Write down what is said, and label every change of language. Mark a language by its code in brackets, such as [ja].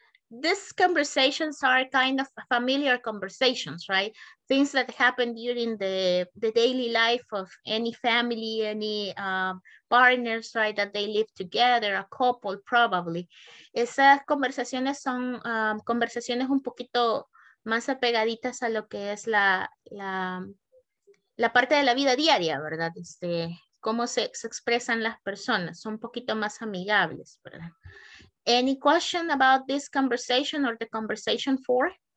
[en] These conversations are kind of familiar conversations, right? Things that happen during the daily life of any family, any partners, right? That they live together, a couple probably. [es] Esas conversaciones son conversaciones un poquito más apegaditas a lo que es la parte de la vida diaria, ¿verdad? Cómo se expresan las personas, son un poquito más amigables, ¿verdad? [en] Any question about this conversation or the conversation four?